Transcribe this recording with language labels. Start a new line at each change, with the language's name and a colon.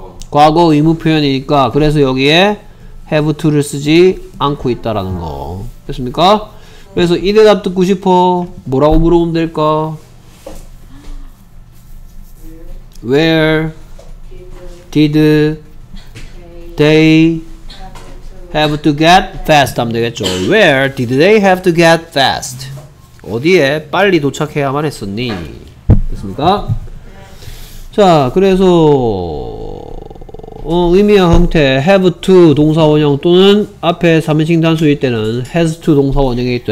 Korean: 과거 의무 표현이니까 그래서 여기에 have to를 쓰지 않고 있다라는 거. 됐습니까? 그래서 이 대답 듣고 싶어? 뭐라고 물어보면 될까?
English: Where did they have to get fast
Korean: 하면 되겠죠.
English: Where did they have to get fast?
Korean: 어디에 빨리 도착해야만 했었니? 됐습니까? 자, 그래서 의미와 형태 have to 동사 원형 또는 앞에 3인칭 단수일 때는 has to 동사 원형이 있죠.